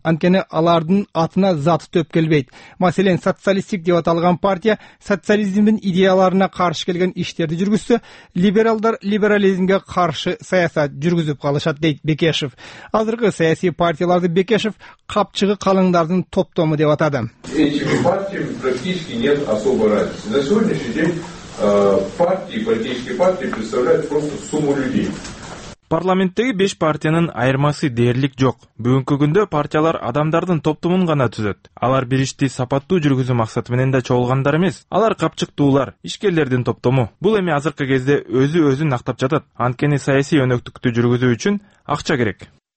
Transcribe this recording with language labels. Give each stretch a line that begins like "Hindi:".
Kyrgyz: Анткени алардын атына заты төп келбейт. Маселен, социалисттик деп аталган партия социализмдин идеяларына каршы келген иштерди жүргүзсө, либералдар либерализмге каршы саясат жүргүзүп калышат, дейт Бекешев. Азыркы саясий партияларды Бекешев капчыгы калыңдардын топтому деп атады.
Russian: Этими партиями практически нет особой разницы. На сегодняшний день партии, политические партии представляют просто сумму людей.
Kyrgyz: Парламенттеги 5 партиянын айырмасы дээрлик жок. Бүгүнкү күндө партиялар адамдардын топтумун гана түзөт. Алар бир ишти сапаттуу жүргүзүү максаты менен да чогулгандар эмес. Алар капчыктуулар, ишкерлердин топтому. Бул эми азыркы кезде өзү өзүн актап жатат. Анткени саясий өнөктүктү жүргүзүү үчүн акча керек.